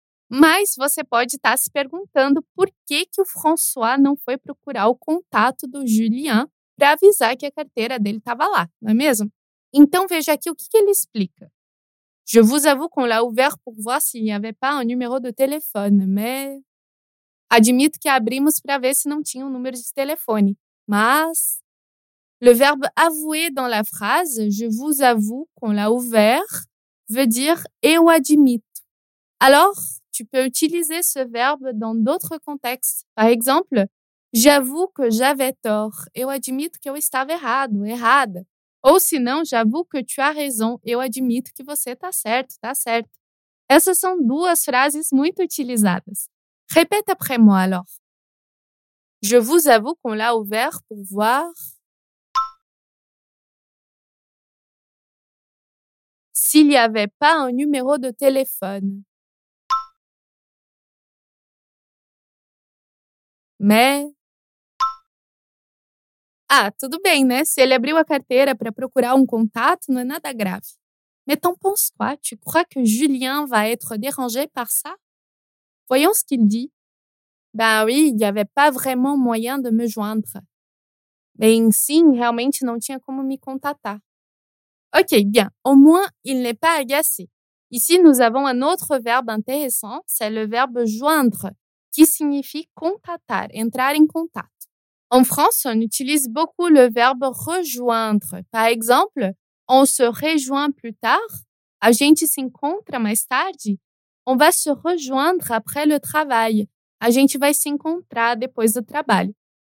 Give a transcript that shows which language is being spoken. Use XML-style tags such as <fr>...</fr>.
<pt>Mas você pode estar se perguntando por que que o François não foi procurar o contato do Julien para avisar que a carteira dele estava lá, não é mesmo? Então veja aqui o que ele explica.</pt> <fr>Je vous avoue qu'on l'a ouvert pour voir s'il n'y avait pas un numéro de téléphone, mais...</fr> <pt>Admito que abrimos para ver se não tinha um número de telefone, mas...</pt> <fr>Le verbe « avouer » dans la phrase « je vous avoue qu'on l'a ouvert » veut dire «</fr> <pt>eu admito ».</pt> <fr>Alors, tu peux utiliser ce verbe dans d'autres contextes. Par exemple, J'avoue que j'avais tort.</fr> <pt>Eu admito que eu estava errado, errada. Ou se não,</pt> <fr>j'avoue que tu as raison.</fr> <pt>Eu admito que você está certo, está certo. Essas são duas frases muito utilizadas.</pt> <fr>Répète après moi, alors. Je vous avoue qu'on l'a ouvert pour voir s'il n'y avait pas un numéro de téléphone. Mais...</fr> <pt>Ah, tudo bem, né? Se ele abriu a carteira para procurar um contato, não é nada grave.</pt> <fr>Mais t'en penses quoi? Tu crois que Julien va être dérangé par ça? Voyons ce qu'il dit. Ben oui, il n'y avait pas vraiment moyen de me joindre.</fr> <pt>Ben sim, realmente não tinha como me contatar.</pt> <fr>Ok, bien. Au moins, il n'est pas agacé. Ici, nous avons un autre verbe intéressant, c'est le verbe joindre, qui signifie contatar, entrar en contact. En France, on utilise beaucoup le verbe rejoindre. Par exemple, on se rejoint plus tard,</fr> <pt>a gente se encontra mais tarde,</pt> <fr>on va se rejoindre après le travail,</fr> <pt>a gente vai se encontrar depois do trabalho.</pt>